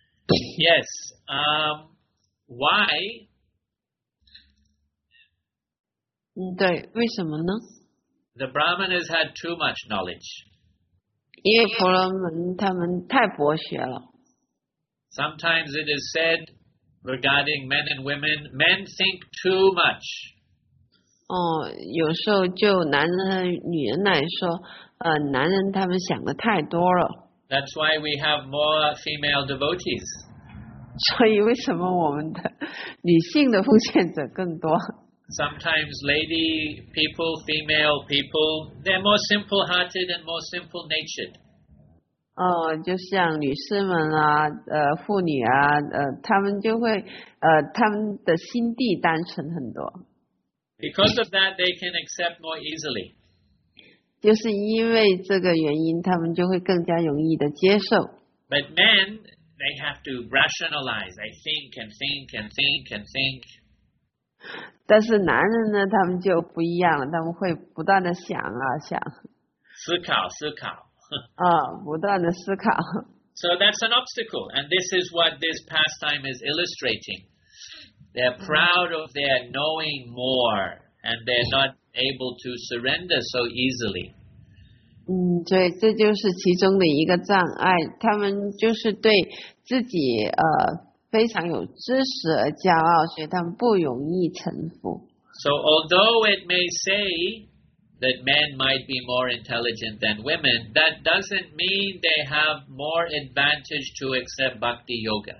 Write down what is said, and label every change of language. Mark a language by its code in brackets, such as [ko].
[en] Yes, why? [zh] 对，为什么呢？ [en] The Brahmanas had too much knowledge. [zh] 因为婆罗门他们太博学了。 [en] Sometimes it is said regarding men and women, men think too much. [zh] 哦，有时候就男人和女人来说，男人他们想的太多了。 [en] That's why we have more female devotees. [zh] 所以为什么我们的女性的奉献者更多？ [en] Sometimes lady people, female people, they're more simple-hearted and more simple-natured. [zh] 就像女士们啊，妇女啊，她们就会，她们的心地单纯很多。 [en] Because of that, they can accept more easily. [zh] 就是因为这个原因，她们就会更加容易的接受。 [en] But men, they have to rationalize. They think and think and think and think. [zh] 但是男人呢，他们就不一样了，他们会不断的想啊想。思考，思考。不断的思考。 [en] So that's an obstacle, and this is what this pastime is illustrating. They're proud of their knowing more, and they're not able to surrender so easily. [zh] 对，这就是其中的一个障碍。他们就是对自己非常有知识而骄傲，所以他们不容易臣服。 [en] So although it may say that men might be more intelligent than women, that doesn't mean they have more advantage to accept bhakti yoga.